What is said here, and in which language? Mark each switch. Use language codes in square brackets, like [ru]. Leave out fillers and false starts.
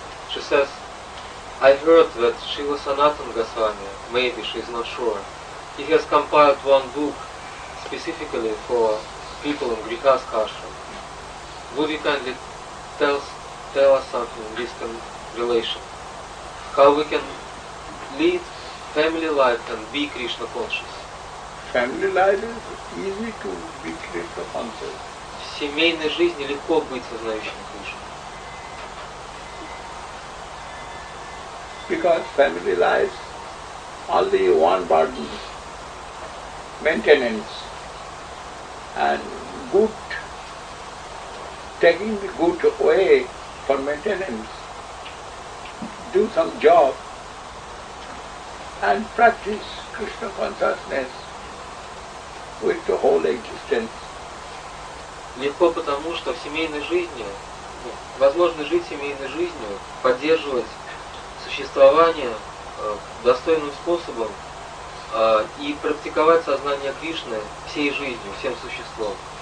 [en] She says, I heard that Srila Sanatana Goswami, maybe she's not sure, he has compiled one book specifically for people in Grihastha Ashram. Would you kindly tell us something in this relation? How we can lead family life and be Krishna conscious? Family life is easy to be Krishna conscious. [ru] В семейной жизни легко быть сознающим Кришну. [en] Because family life only one burden, maintenance and good, taking the good away for maintenance, do some job and practice Krishna consciousness with the whole existence. [ru] Легко потому, что в семейной жизни, возможно жить семейной жизнью, поддерживать существование достойным способом и практиковать сознание Кришны всей жизнью, всем существом.